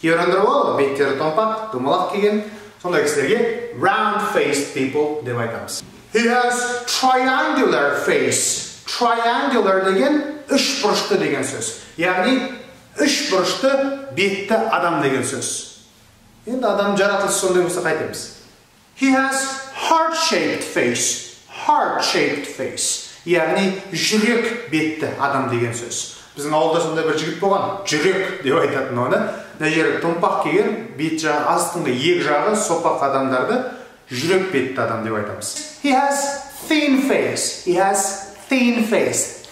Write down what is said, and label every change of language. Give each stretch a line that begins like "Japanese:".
Kazakh: Кейбір адамдар болады, беттері томпақ, домалақ келген. Сондай кісілерге
English: round face people
Kazakh: деп айтамыз.
English: He has triangular face.
Kazakh: Triangular деген үш бұрышты деген сөз. Яғни, үш бұрышты бетті адам деген сөз. Енді адам жаратылысы сондай болса қайтеміз.
English: He has heart-shaped face. Heart-shaped face.
Kazakh: Яғни, жүрек бетті адам деген сөз. Біздің ауылда сондай бір жігіт болған жүрек деп айтатын оны. Нәжері томпақ келген бет жағы, астыңғы ек жағы сопақ адамдарды жүрек бетті адам деп айтамыз.
English: He has thin face. He has thin face.